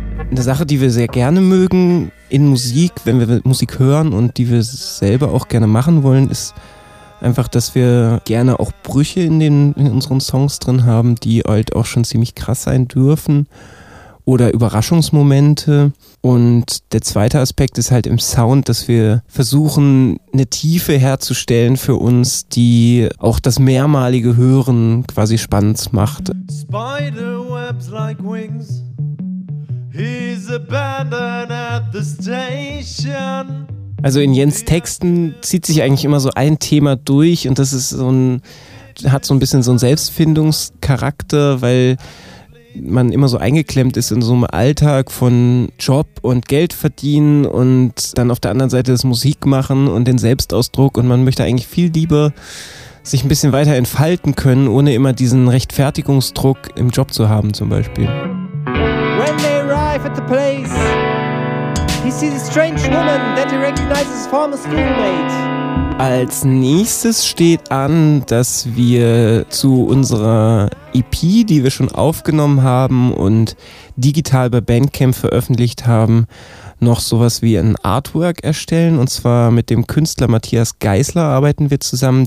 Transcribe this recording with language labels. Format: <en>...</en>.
<de>Eine Sache, die wir sehr gerne mögen in Musik, wenn wir Musik hören und die wir selber auch gerne machen wollen, ist einfach, dass wir gerne auch Brüche in unseren Songs drin haben, die halt auch schon ziemlich krass sein dürfen oder Überraschungsmomente. Und der zweite Aspekt ist halt im Sound, dass wir versuchen, eine Tiefe herzustellen für uns, die auch das mehrmalige Hören quasi spannend macht.</de> <en>Spiderwebs like wings. He's abandoned at the station.</en> <de>Also in Jens Texten zieht sich eigentlich immer so ein Thema durch und das ist hat so ein bisschen so einen Selbstfindungscharakter, weil man immer so eingeklemmt ist in so einem Alltag von Job und Geld verdienen und dann auf der anderen Seite das Musik machen und den Selbstausdruck und man möchte eigentlich viel lieber sich ein bisschen weiter entfalten können, ohne immer diesen Rechtfertigungsdruck im Job zu haben zum Beispiel.</de> <en>When they arrive at the place, he sees a strange woman that he recognizes as former schoolmate.</en> <de>Als nächstes steht an, dass wir zu unserer EP, die wir schon aufgenommen haben und digital bei Bandcamp veröffentlicht haben, noch sowas wie ein Artwork erstellen. Und zwar mit dem Künstler Matthias Geisler arbeiten wir zusammen.</de>